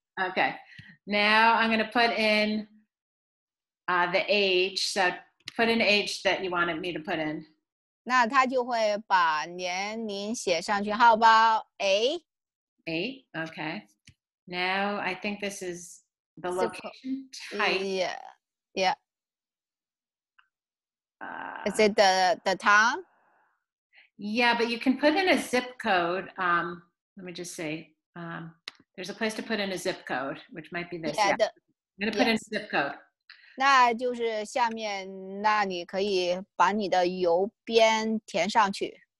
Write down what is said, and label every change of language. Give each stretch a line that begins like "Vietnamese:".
English: Okay, now I'm going to put in the age. So put an age that you wanted me to put in.
Chinese: 那他就会把年龄写上去。
English: How about A? A, okay. Now I think this is the location type. Yeah, yeah. Is it the town? Yeah, but you can put in a zip code. Let me just see. There's a place to put in a zip code, which might be this. Yeah, yeah. I'm going to put in a zip code.
Chinese: 那就是下面，那你可以把你的邮编填上去。